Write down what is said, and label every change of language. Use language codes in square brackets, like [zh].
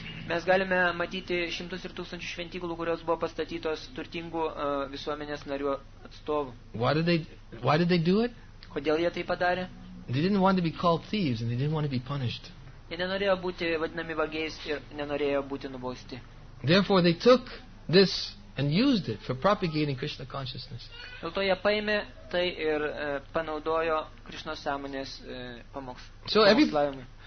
[lt] Mes galime matyti šimtus ir tūkstančių šventyklų, kurios buvo pastatytos turtingų visuomenės narių atstovų. [en] Why did they do it? [lt] Kodėl jie tai padarė? [en] They didn't want to be called thieves and they didn't want to be punished. [lt] Jie nenorėjo būti vadinami vagiais ir nenorėjo būti nubausti. [en] Therefore they took this and used it for propagating Krishna consciousness. [lt] Dėl to jie paėmė tai ir panaudojo Krishna sąmonės pamokslavimui.